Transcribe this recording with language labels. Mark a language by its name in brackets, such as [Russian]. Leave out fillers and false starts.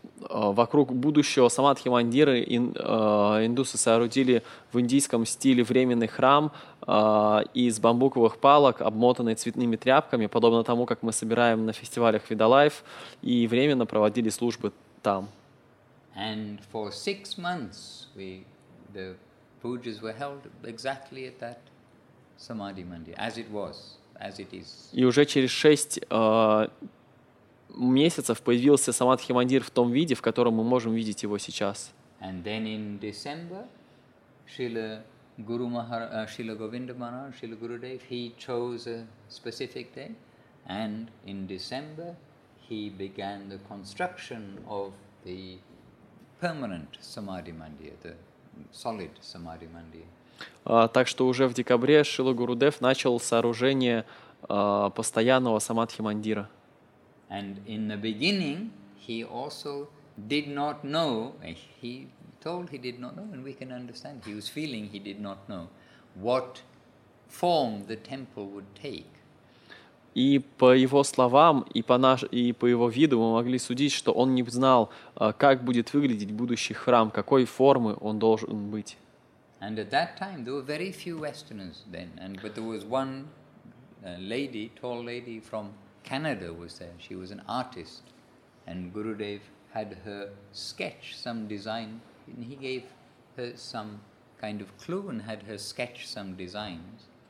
[Russian] Вокруг будущего Самадхи Мандира индусы соорудили в индийском стиле временный храм из бамбуковых палок, обмотанный цветными тряпками, подобно тому, как мы собираем на фестивалях Veda Life, и временно проводили службы там. [English] And for 6 months the pujas were held exactly at that Samadhi Mandir, as it was, as it is. [Russian] И уже через 6 месяцев появился Самадхи Мандир в том виде, в котором мы можем видеть его сейчас. [English] And then in December, Shrila Guru Maharaj, Shrila Govinda Maharaj, Shrila Gurudev, he chose a specific day, and in December, he began the construction of the permanent Samadhi Mandir, the solid Samadhi Mandir. [Russian] Так что уже в декабре Шрила Гурудев начал сооружение постоянного Самадхи Мандира. [English] And in the beginning, he also did not know. He told he did not know, and we can understand. He was feeling he did not know what form the temple would take. [Russian] И по его словам, и по его виду мы могли судить, что он не знал, как будет выглядеть будущий храм, какой формы он должен быть. [English] And at that time there were very few Westerners then, and but there was one lady, tall lady from Canada was there. She was an artist, and Gurudev had her sketch some design, and he gave her some kind of clue and had her sketch some designs.